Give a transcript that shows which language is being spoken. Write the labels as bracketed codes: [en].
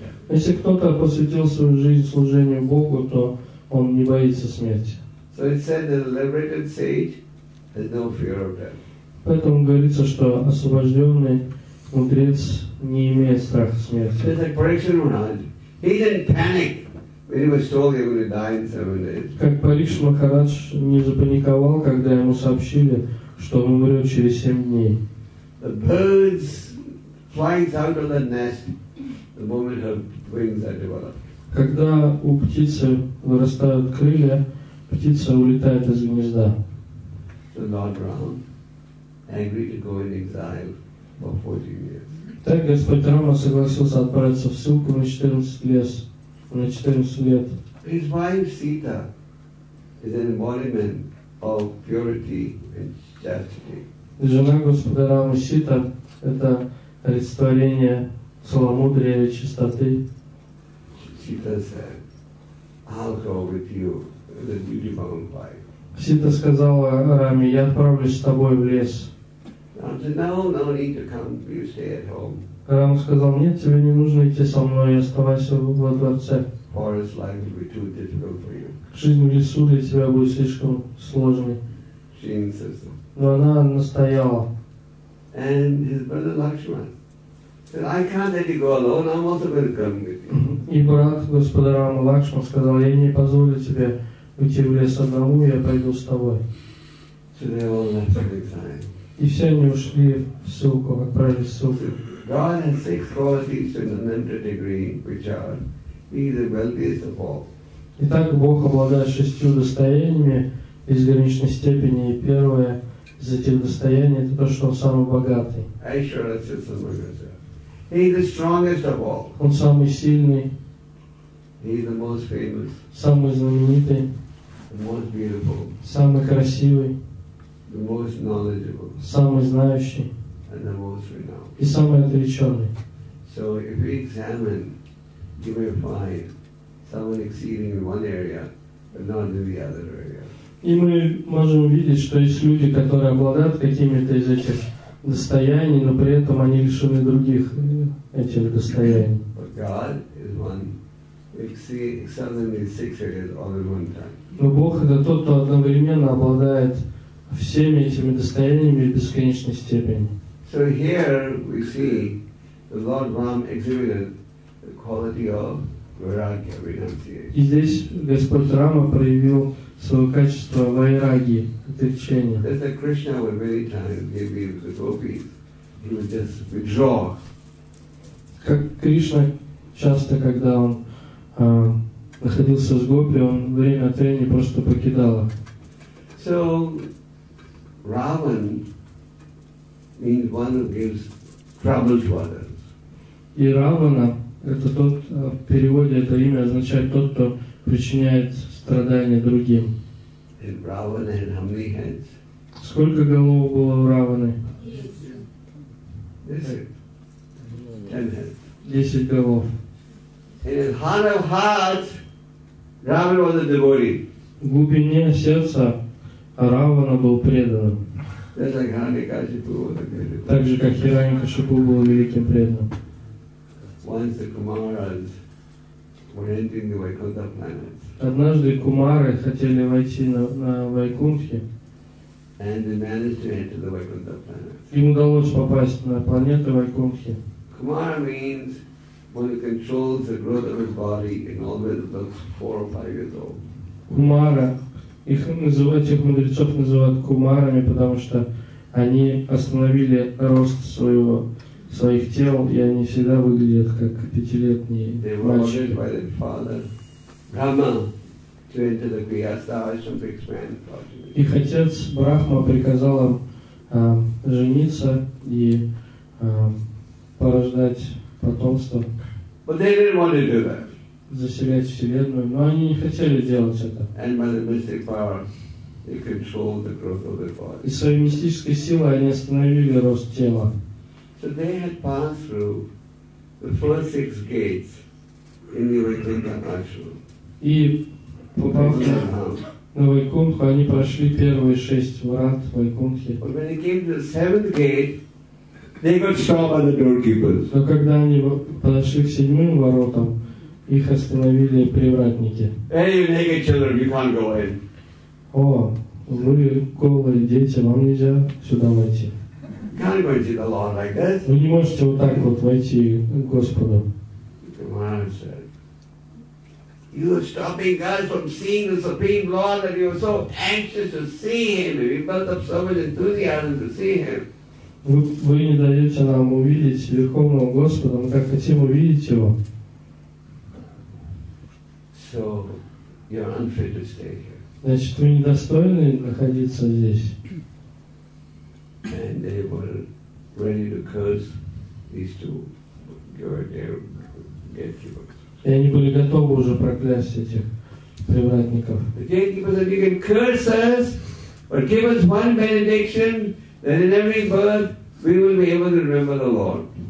[ru] Если кто-то посвятил свою жизнь служению Богу, то он не боится смерти. [en] So it said the liberated sage has no fear of death. [ru] Поэтому говорится, что освобожденный мудрец не имеет страха смерти. [en] It's like Parikshit Maharaj. He didn't panic. He was told he would die in 7 days. [ru] Как Парикшит Махарадж не запаниковал, когда ему сообщили, что он умрет через 7 дней. [en] The birds flies out of the nest the moment her wings are developed. [ru] Когда у птицы вырастают крылья, птица улетает из гнезда. [en] So Lord Rama agreed to go in exile for 14 years. [ru] Так Господь Рама согласился отправиться в ссылку на 14 лет. На 14 лет. [en] His wife Sita is an embodiment of purity and chastity. [ru] Жена Господа Рамы Сита – это олицетворение целомудрия и чистоты. [en] Sita said, "I'll go with you as a duty-bound wife." [ru] Сита сказала Раме: "Я отправлюсь с тобой в лес." [en] No need to come. You stay at home. [ru] Рама сказал: "Нет, тебе не нужно идти со мной, оставайся во дворце. [en] Forest life will be too difficult for you." [ru] Жизнь в лесу для тебя будет слишком сложной. [en] She insisted. [ru] Но она настояла. [en] And his brother Lakshman said, "I can't let you go alone. I'm also going to come with you." [ru] И брат господа Рама Лакшман сказал: "Я не позволю тебе уйти в лес одному, я пойду с тобой." [en] So they all left in exile. [ru] И все они ушли в ссылку, отправились в ссылку. [en] God has 6 qualities to an unlimited degree, which are he is the wealthiest of all. [ru] Итак, Бог обладает 6 достояниями из граничной степени, и первое из этих достояний — это то, что он самый богатый. [en] Aishwarya Siddha Magaja. He is the strongest of all. [ru] Он самый сильный. [en] He is the most famous. [ru] Самый знаменитый. [en] The most beautiful. [ru] Самый красивый. [en] The most knowledgeable. [ru] Самый знающий. [en] And the most renowned. [ru] И самый отреченный. [en] So if we examine, you may find someone exceeding in one area, but not in the other area. [ru] И мы можем увидеть, что есть люди, которые обладают какими-то из этих достояний, но при этом они лишены других этих достояний. [en] But God is one exceeding in 6 areas all at one time. [ru] Но Бог — это тот, кто одновременно обладает всеми этими достояниями в бесконечной степени. [en] So here we see the Lord Ram exhibited the quality of vairagya, renunciation. [ru] И здесь Господь Рама проявил свое качество вайраги, отречения. [en] That the Krishna would many times give the gopis, he would just withdraw. [ru] Как Кришна часто, когда он находился с гопи, он время от времени просто покидал. [en] So Ravan means one who gives trouble to others. [ru] И Равана — это тот, в переводе это имя означает тот, кто причиняет страдания другим. [en] And Ravana had how many heads? [ru] Сколько голов было у Раваны? [en] 10 heads. [ru] 10 голов. [en] In his heart of hearts, Ravana was a devotee. [ru] В глубине сердца Равана был преданным. [en] Just like Hiranyakashipu was a great devotee. [ru] Так же, как Хираньякашипу был великим преданным. [en] Once the Kumaras were entering the Vaikuntha planets. [ru] Однажды Кумары хотели войти на Вайкунтхи. [en] And they managed to enter the Vaikuntha planets. [ru] Им удалось попасть на планету Вайкунтхи. [en] Kumara means one who controls the growth of his body and always looks 4 or 5 years old. [ru] Кумара. Их называют, тех мудрецов называют кумарами, потому что они остановили рост своих тел, и они всегда выглядят как 5-летние мальчики. Их отец Брахма приказал им жениться и порождать потомство. [en] But they didn't want to do that. [ru] Заселять вселенную, но они не хотели делать это. [en] And by the mystic power, they controlled the growth of their body. [ru] И своей мистической силой они остановили рост тела. [en] So they had passed through the first six gates in the Vaikuntha ashram. [ru] И по пути на Вайкунху они прошли первые шесть врат Вайкунхи. [en] But when they came to the seventh gate, they got stopped by the doorkeepers. [ru] Но когда они подошли к седьмым воротам, их остановили привратники. [en] Hey, you naked children, you can't go in. [ru] О, вы голые дети, вам нельзя сюда войти. [en] Can't go into the Lord like that. [ru] Вы не можете вот так вот войти к Господу. [en] You are stopping us from seeing the Supreme Lord that you are so anxious to see Him. We built up so much enthusiasm to see Him. [ru] Вы не даете нам увидеть Верховного Господа, мы так хотим увидеть Его. [en] So, you're unfit to stay here. [ru] Значит, вы недостойны находиться здесь. [en] And they were ready to curse these two gatekeepers. [ru] И они были готовы уже проклясть этих привратников. [en] The gatekeepers said, you can curse us, but give us one benediction, then in every birth, we will be able to remember the Lord.